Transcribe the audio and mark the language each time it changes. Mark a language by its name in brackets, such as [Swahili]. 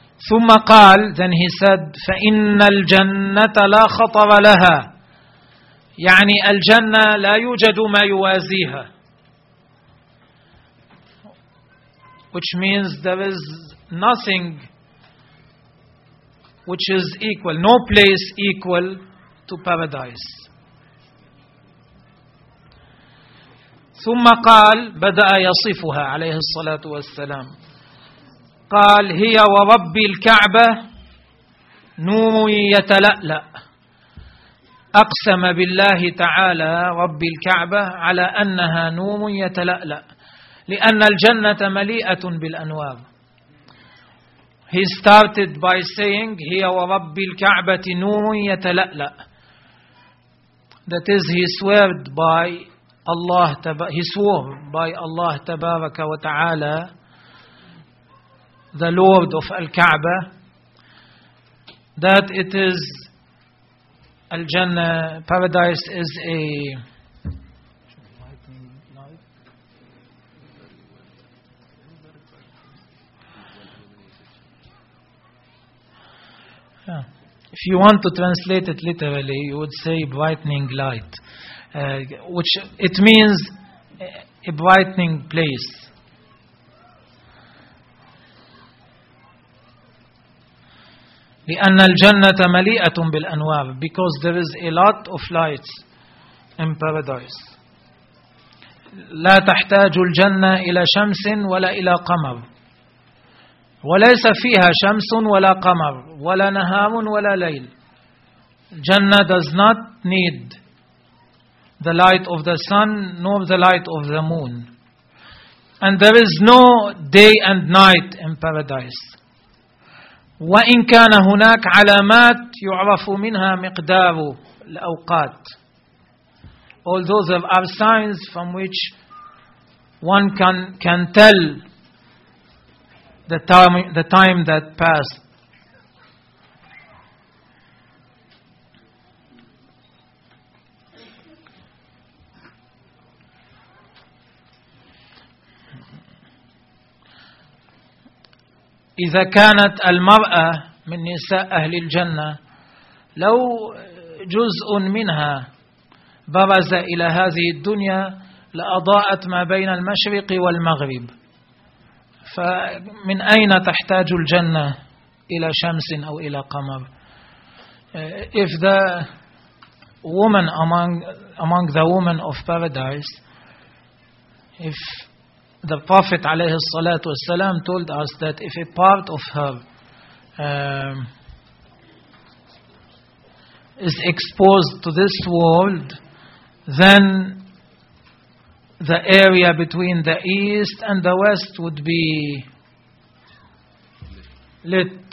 [Arabic] ثم قال، [English] then he said [Arabic] فإن الجنة لا خطر لها، يعني الجنة لا يوجد ما يوازيها، [English] which means there is nothing which is equal, no place equal to paradise. [Arabic] ثم قال، بدأ يصفها عليه الصلاة والسلام، قال هي ورب الكعبة نور يتلألأ. أقسم بالله تعالى رب الكعبة على أنها نور يتلألأ، لأن الجنة مليئة بالأنوار. [English] He started by saying [Arabic] هي ورب الكعبة نور يتلألأ، [English] that is he swore by Allah, he swore by Allah [Arabic] تبارك وتعالى [English] the Lord of Al-Kaaba that it is Al-Jannah, paradise is a if you want to translate it literally you would say brightening light, which it means a brightening place. [Arabic] لأن الجنة مليئة بالأنوار، [English] because there is a lot of lights in paradise. [Arabic] لا تحتاج الجنة إلى شمس ولا إلى قمر، وليس فيها شمس ولا قمر ولا نهار ولا ليل. [English] Jannah does not need the light of the sun nor the light of the moon. And there is no day and night in paradise. [Arabic] وإن كان هناك علامات يعرف منها مقدار الأوقات. [English] Although there are signs from which one can tell the time that passed. [Arabic] إذا كانت المرأة من نساء أهل الجنة لو جزء منها برز إلى هذه الدنيا لأضاءت ما بين المشرق والمغرب، فمن أين تحتاج الجنة إلى شمس أو إلى قمر؟ [English] If the woman among the women of paradise, if the Prophet alayhi salatu wasalam told us that if a part of her is exposed to this world, then the area between the east and the west would be lit.